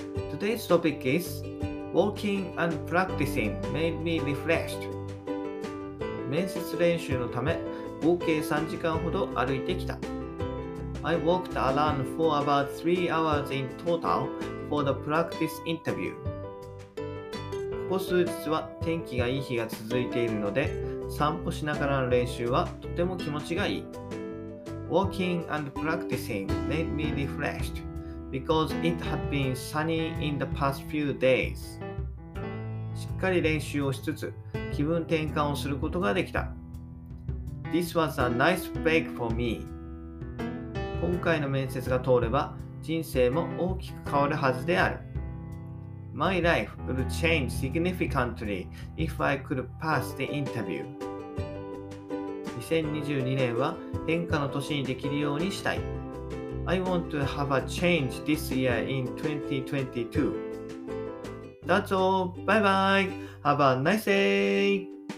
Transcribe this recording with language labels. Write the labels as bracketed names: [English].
[English] Today's topic is Walking and Practicing Made Me Refreshed. [Japanese] 面接練習のため、合計3時間ほど歩いてきた。 [English] I walked around for about 3 hours in total for the practice interview. [Japanese] ここ数日は天気がいい日が続いているので、散歩しながらの練習はとても気持ちがいい。 [English] Walking and practicing made me refreshed because it had been sunny in the past few days. [Japanese] しっかり練習をしつつ、気分転換をすることができた。 [English] This was a nice break for me. [Japanese] 今回の面接が通れば、人生も大きく変わるはずである。 [English] My life would change significantly if I could pass the interview. [Japanese] 2022年は変化の年にできるようにしたい。 [English] I want to have a change this year in 2022. That's all. Bye bye. Have a nice day.